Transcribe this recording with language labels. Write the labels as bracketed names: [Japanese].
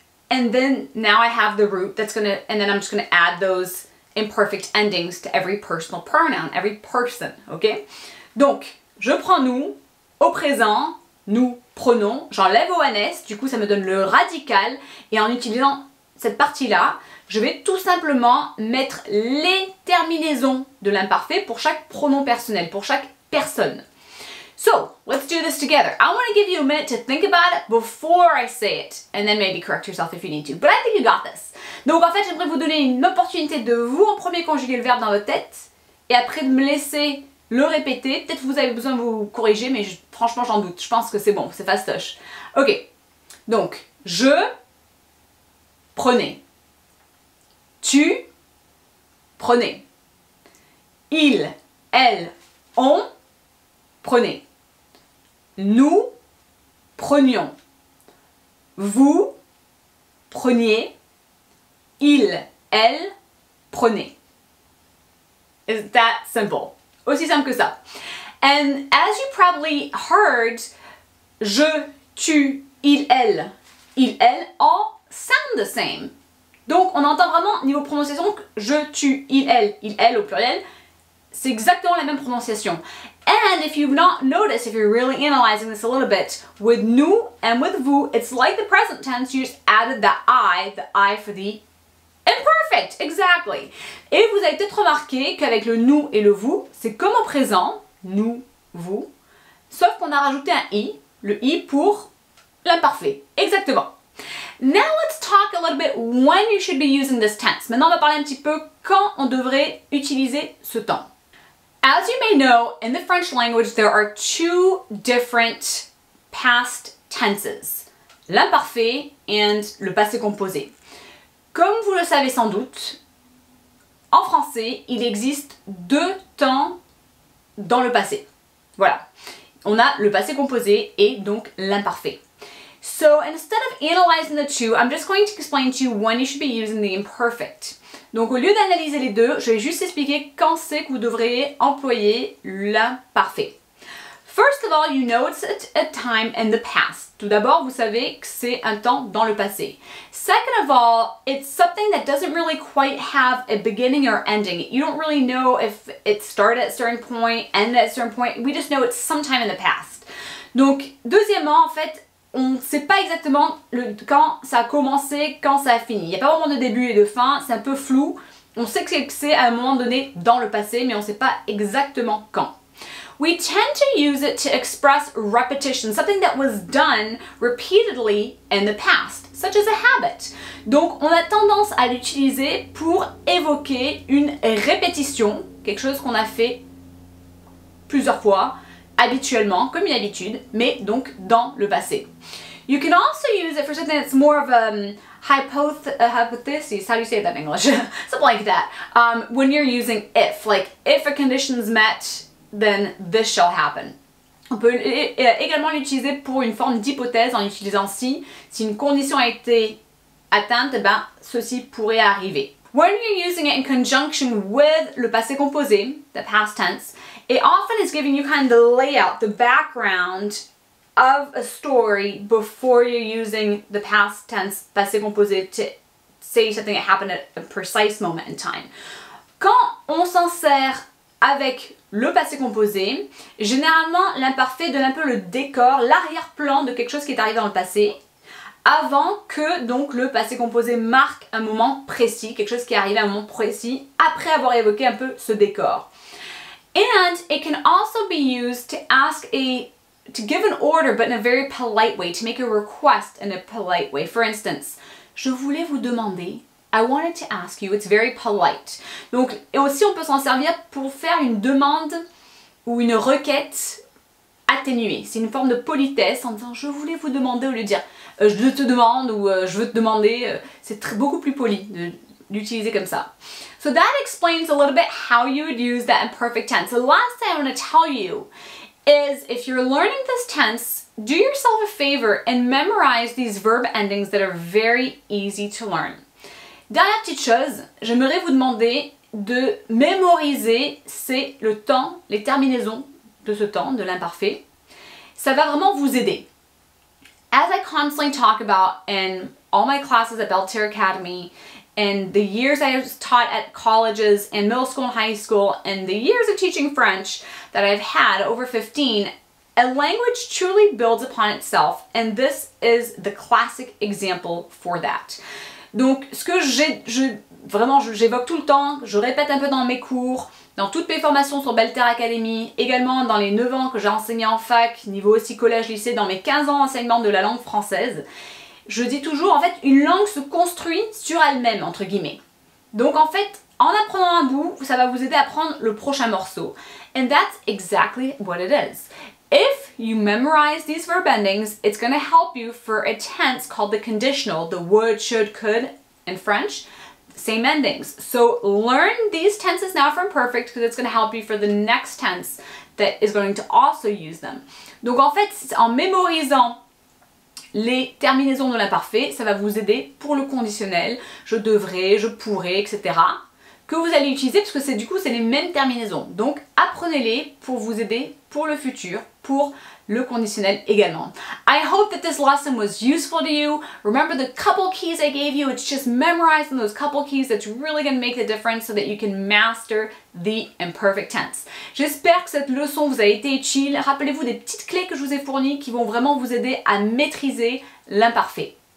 [English] And then, now I have the root that's going to, and then I'm just going to add those imperfect endings to every personal pronoun, every person, ok? [French] Donc, je prends nous, au présent, nous prenons, j'enlève ONS, du coup ça me donne le radical, et en utilisant cette partie-là, je vais tout simplement mettre les terminaisons de l'imparfait pour chaque pronom personnel, pour chaque personne. [English] So, let's do this together. I want to give you a minute to think about it before I say it, and then maybe correct yourself if you need to, but I think you got this. [French] Donc en fait, j'aimerais vous donner une opportunité de vous en premier conjuguer le verbe dans votre tête et après de me laisser le répéter. Peut-être que vous avez besoin de vous corriger, mais franchement, j'en doute. Je pense que c'est bon, c'est fastoche. Ok, donc, je prenais. Tu prenais. Il, elle, on prenait. Nous prenions. Vous preniez. Il, elle, prenait. [English] Is that simple? [French] Aussi simple que ça. [English] And as you probably heard, je, tu, il, elle, all sound the same. [French] Donc on entend vraiment, niveau prononciation, que je, tu, il, elle au pluriel, c'est exactement la même prononciation. [English] And if you've not noticed, if you're really analyzing this a little bit, with nous and with vous, it's like the present tense, you just added the I for the imperfect, exactly. [French] Et vous avez peut-être remarqué qu'avec le nous et le vous, c'est comme au présent, nous, vous, sauf qu'on a rajouté un i, le i pour l'imparfait, exactement. [English] Now let's talk a little bit when you should be using this tense. [French] Maintenant on va parler un petit peu quand on devrait utiliser ce temps. [English] As you may know, in the French language, there are two different past tenses, l'imparfait and le passé composé. [French] Comme vous le savez sans doute, en français, il existe deux temps dans le passé. Voilà. On a le passé composé et donc l'imparfait. [English] So, instead of analyzing the two, I'm just going to explain to you when you should be using the imperfect. [French] Donc, au lieu d'analyser les deux, je vais juste expliquer quand c'est que vous devriez employer l'imparfait. [English] First of all, you know it's a time in the past. [French] Tout d'abord, vous savez que c'est un temps dans le passé. [English] Second of all, it's something that doesn't really quite have a beginning or ending. You don't really know if it started at a certain point, ended at a certain point. We just know it's sometime in the past. [French] Donc, deuxièmement, en fait, on ne sait pas exactement quand ça a commencé, quand ça a fini. Il n'y a pas vraiment de début et de fin, c'est un peu flou. On sait que c'est à un moment donné dans le passé, mais on ne sait pas exactement quand. [English] We tend to use it to express repetition, something that was done repeatedly in the past, such as a habit. [French] Donc, on a tendance à l'utiliser pour évoquer une répétition, quelque chose qu'on a fait plusieurs fois, habituellement, comme une habitude, mais donc dans le passé. [English] You can also use it for something that's more of a hypothesis, how do you say that in English? Something like that. When you're using if, like if a condition's met, then this shall happen. [French] On peut également l'utiliser pour une forme d'hypothèse en utilisant si. Si une condition a été atteinte, ben ceci pourrait arriver. [English] When you're using it in conjunction with le passé composé, the past tense, it often is giving you kind of the layout, the background of a story before you're using the past tense, passé composé, to say something that happened at a precise moment in time. [French] Quand on s'en sert avec le passé composé, généralement l'imparfait donne un peu le décor, l'arrière-plan de quelque chose qui est arrivé dans le passé, avant que donc le passé composé marque un moment précis, quelque chose qui est arrivé à un moment précis, après avoir évoqué un peu ce décor. [English] And it can also be used to ask a, to give an order, but in a very polite way, to make a request in a polite way. For instance, [French] je voulais vous demander, [English] I wanted to ask you, it's very polite. [French] Donc, et aussi on peut s'en servir pour faire une demande ou une requête atténuée. C'est une forme de politesse en disant, je voulais vous demander, au lieu de dire, je te demande ou je veux te demander, c'est beaucoup plus poli de l'utiliser comme ça. [English] So that explains a little bit how you would use that imperfect tense. The last thing I want to tell you is if you're learning this tense, do yourself a favor and memorize these verb endings that are very easy to learn. [French] Dernière petite chose, j'aimerais vous demander de mémoriser c'est le temps, les terminaisons de ce temps, de l'imparfait. Ça va vraiment vous aider. [English] As I constantly talk about in all my classes at Belter Academy, and the years I have taught at colleges and middle school and high school, and the years of teaching French that I've had, over 15, a language truly builds upon itself, and this is the classic example for that. [French] Donc, ce que j'évoque tout le temps, je répète un peu dans mes cours, dans toutes mes formations sur Belter Academy, également dans les 9 ans que j'ai enseigné en fac, niveau aussi collège-lycée, dans mes 15 ans d'enseignement de la langue française, je dis toujours, en fait, une langue se construit sur elle-même, entre guillemets. Donc, en fait, en apprenant un bout, ça va vous aider à apprendre le prochain morceau. [English] And that's exactly what it is. If you memorize these verb endings, it's going to help you for a tense called the conditional, the would, should, could, in French, same endings. So learn these tenses now from perfect because it's going to help you for the next tense that is going to also use them. [French] Donc en fait, en mémorisant les terminaisons de l'imparfait, ça va vous aider pour le conditionnel, je devrais, je pourrais, etc. que vous allez utiliser parce que c'est du coup c'est les mêmes terminaisons. Donc apprenez-les pour vous aider pour le futur, pour le conditionnel également. [English] I hope that this lesson was useful to you. Remember the couple keys I gave you, it's just memorizing those couple keys that's really going to make the difference so that you can master the imperfect tense. [French] J'espère que cette leçon vous a été utile. Rappelez-vous des petites clés que je vous ai fournies qui vont vraiment vous aider à maîtriser l'imparfait.